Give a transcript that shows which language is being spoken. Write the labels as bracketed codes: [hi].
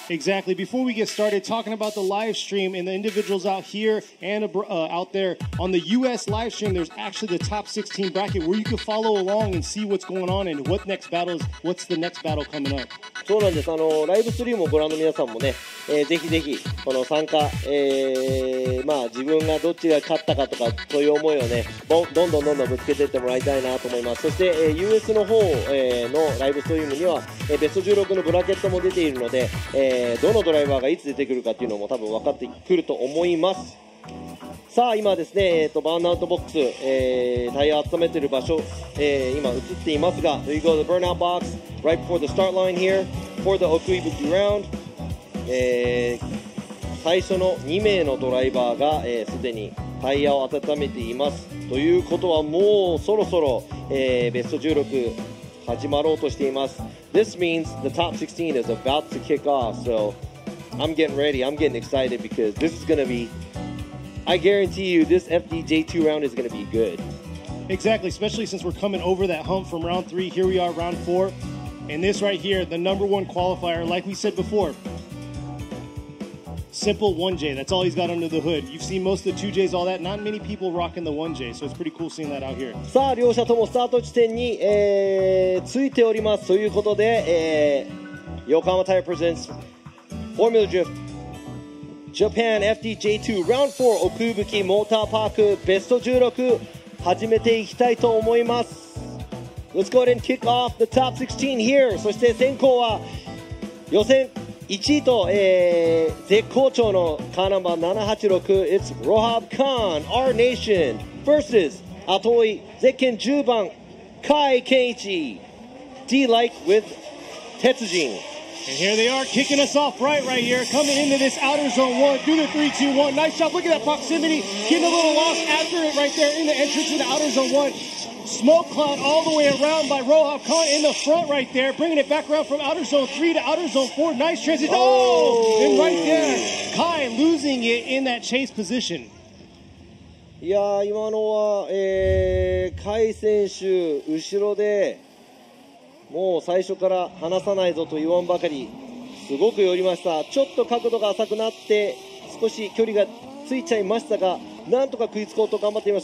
[en] Exactly. Before we get started, talking about the live stream and the individuals out here and out there, on the U.S. live stream, there's actually the top 16 bracket where you can follow along and see what's going on and what's the next battle coming up. [ja] そうなんです。ライブストリームをご覧の皆さんもね、ぜひぜひこの参加、まあ自分がどっちが勝ったかとかそういう思いをね、どんどんぶつけていってもらいたいなと思います。そして、US の方、のライブストリームには、ベスト16のブラケットも出ているので、どのドライバーがいつ出てくるかっていうのも多分分かってくると思います。さあ今ですね、バーンアウトボックス、タイヤ温めてる場所、今映っていますが、 [en] There you go, the burnout box right before the start line here for the Okuibuki round、 [ja] 最初の2名のドライバーがすで、にタイヤを温めています。ということはもうそろそろ、ベスト16始まろうとしています。 [en] This means the top 16 is about to kick off, so I'm getting ready, I'm getting excited because this is going to beI guarantee you this FDJ2 round is going to be good. Exactly, especially since we're coming over that hump from round 3. Here we are, round 4. And this right here, the number one qualifier, like we said before, simple 1J. That's all he's got under the hood. You've seen most of the 2Js, all that. Not many people rocking the 1J, so it's pretty cool seeing that out here. [ja] さあ、両者ともスタート地点に、ついております。 [en] ということで、Yokohama Tire Presents Formula Drift. [ja] Japan FDJ2 Round 4 Okuibuki Motorpark Best 16始めていきたいと思います。 [en] Let's go ahead and kick off the top 16 here. [ja] そして先行は予選1位と、絶好調のカーナンバー786 It's Rohab Khan, Our Nation versus 後追いゼッケン10番Kai Kenichi, D-like with Tetsujin. [en] And here they are, kicking us off right here, coming into this outer zone one. Do the 3-2-1. Nice job. Look at that proximity. Getting a little lost after it right there in the entrance of the outer zone one. Smoke cloud all the way around by Rohab Khan in the front right there, bringing it back around from outer zone three to outer zone four. Nice transition. Oh! And right there, Kai losing it in that chase position. [ja] いやー今のは、カイ選手後ろでもう最初から離さないぞと言わんばかりすごく寄りました。ちょっと角度が浅くなって少し距離がついちゃいましたが、なんとか食いつこうと頑張っています。